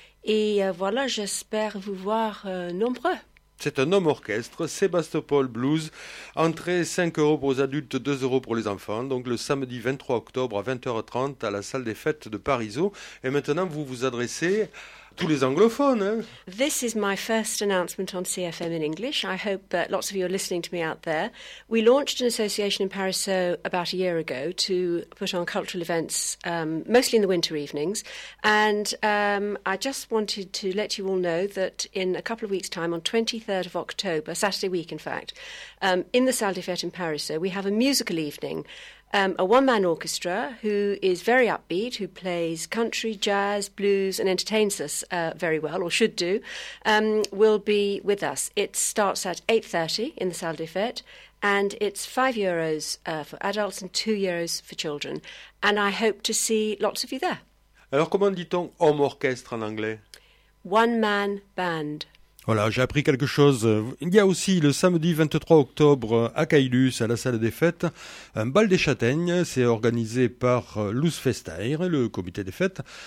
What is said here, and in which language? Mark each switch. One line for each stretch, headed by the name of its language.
French: Et voilà, j'espère vous voir nombreux. C'est un homme orchestre, Sébastopol Blues. Entrée 5 euros pour les adultes, 2 euros pour les enfants. Donc le samedi 23 octobre à 20h30 à la salle des fêtes de Parisot. Et maintenant, vous vous adressez à tous les anglophones. Hein.
English: This is my first announcement on CFM in English. I hope that lots of you are listening to me out there. We launched an association in Parisot about a year ago to put on cultural events, mostly in the winter evenings. And I just wanted to let you all know that in a couple of weeks' time, on 23rd of October, Saturday week in fact, in the Salle des Fêtes in Parisot, we have a musical evening. A one-man orchestra who is very upbeat, who plays country, jazz, blues, and entertains us very well, or should do, will be with us. It starts at 8:30 in the Salle des Fêtes, and it's €5 for adults and €2 for children. And I hope to see lots of you there.
French: Alors, comment dit-on homme orchestre en anglais?
English: One-man band.
French: Voilà, j'ai appris quelque chose. Il y a aussi le samedi 23 octobre à Caylus, à la salle des fêtes, un bal des châtaignes. C'est organisé par Luz Festair, le comité des fêtes.